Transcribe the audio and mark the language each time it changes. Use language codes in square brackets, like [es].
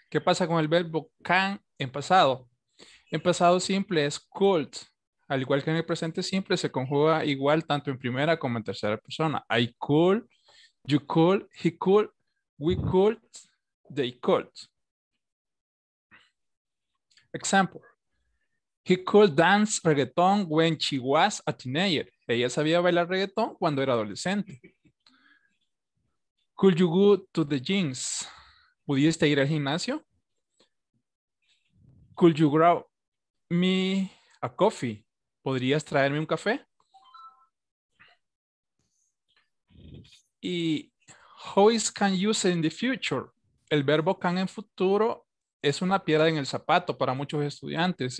[es] ¿Qué pasa con el verbo can en pasado? En pasado simple es could. Al igual que en el presente simple, se conjuga igual tanto en primera como en tercera persona. [en] I could, you could, he could, we could, they could. Example. He could dance reggaeton when she was a teenager. [es] Ella sabía bailar reggaeton cuando era adolescente. [en] Could you go to the gyms? [es] ¿Pudiste ir al gimnasio? [en] Could you grab me a coffee? [es] ¿Podrías traerme un café? [en] Y how is can use in the future? [es] El verbo can en futuro es una piedra en el zapato para muchos estudiantes.